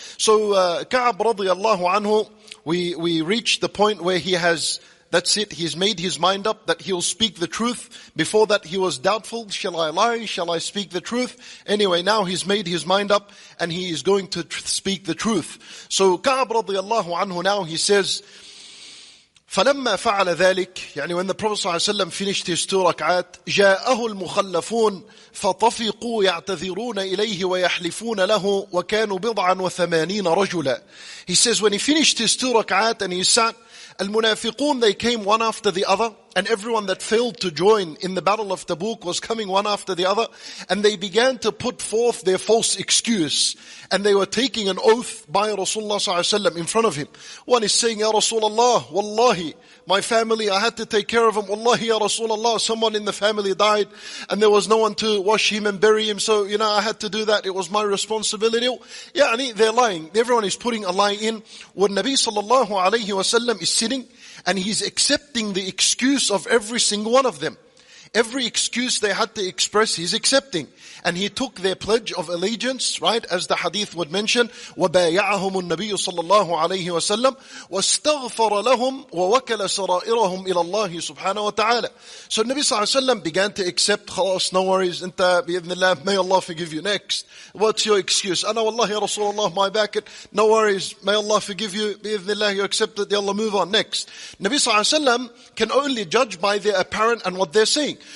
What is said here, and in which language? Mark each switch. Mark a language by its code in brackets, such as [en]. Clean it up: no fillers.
[en] So Ka'b radiallahu anhu, we reach the point where he has, that's it, he's made his mind up that he'll speak the truth. Before that, he was doubtful. Shall I lie? Shall I speak the truth? Anyway, now he's made his mind up and he is going to speak the truth. So Ka'b radiallahu anhu, now he says, [ar] فَلَمَّا فَعَلَ ذَلِكَ, يعني [en] when the Prophet [ar] صلى الله عليه وسلم [en] finished his two rak'at, [ar] جَاءَهُ الْمُخَلَّفُونَ فَطَفِقُوا يَعْتَذِرُونَ إِلَيْهِ وَيَحْلِفُونَ لَهُ وَكَانُوا بِضْعًا وَثَمَانِينَ رَجُلًا. [en] He says, when he finished his two rak'at and he sat, Al-Munafiqoon, they came one after the other, and everyone that failed to join in the battle of Tabuk was coming one after the other, and they began to put forth their false excuse, and they were taking an oath by Rasulullah sallallahu alayhi wa sallam in front of him. One is saying, Ya Rasulullah, Wallahi, my family, I had to take care of him. Wallahi, Ya Rasulullah, someone in the family died, and there was no one to wash him and bury him, so, you know, I had to do that. It was my responsibility. Yeah, they're lying. Everyone is putting a lie in. When Nabi sallallahu alayhi wa sallam is sitting, and he's accepting the excuse of every single one of them. Every excuse they had to express, he's accepting. And he took their pledge of allegiance, right? As the hadith would mention, [ar] وَبَايَعَهُمُ النَّبِيُّ صَلَّى اللَّهُ عَلَيْهِ وَسَلَّمُ وَاسْتَغْفَرَ لَهُمْ وَوَكَلَ سَرَائِرَهُمْ إِلَى اللَّهِ سُبْحَانَهُ وَتَعَالَى. [en] So Nabi Sallallahu Alaihi Wasallam began to accept, خلاص, no worries, [ar] انت بإذن الله, [en] may Allah forgive you, next. What's your excuse? [ar] أنا والله يا رسول الله, [en] my back, no worries, may Allah forgive you, [ar] بإذن الله, [en] you accept it, yallah, move on, next. Nabi Sallallahu Alaihi Wasallam can only judge by their apparent and what they're saying.